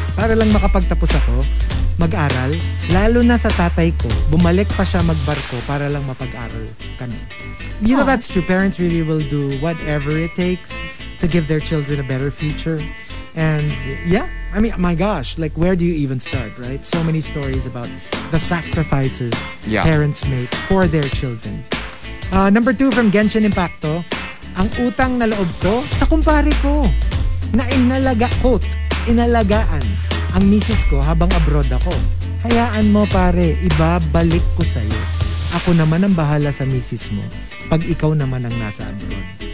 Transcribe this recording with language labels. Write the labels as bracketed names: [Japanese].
[Filipino] Para lang makapagtapos ako, mag-aral, lalo na sa tatay ko, bumalik pa siya magbarko para lang mapag-aral kami. [English] You know, that's true. Parents really will do whatever it takes to give their children a better future. And yeah, I mean, my gosh, like, where do you even start, right? So many stories about the sacrifices parents make for their children. Number 2 from Genshin Impacto, [Filipino] ang utang na loob ko sa kumpare ko na inalagaan ang misis ko habang abroad ako. Hayaan mo, pare, ibabalik ko sa'yo. Ako naman ang bahala sa misis mo pag ikaw naman ang nasa abroad.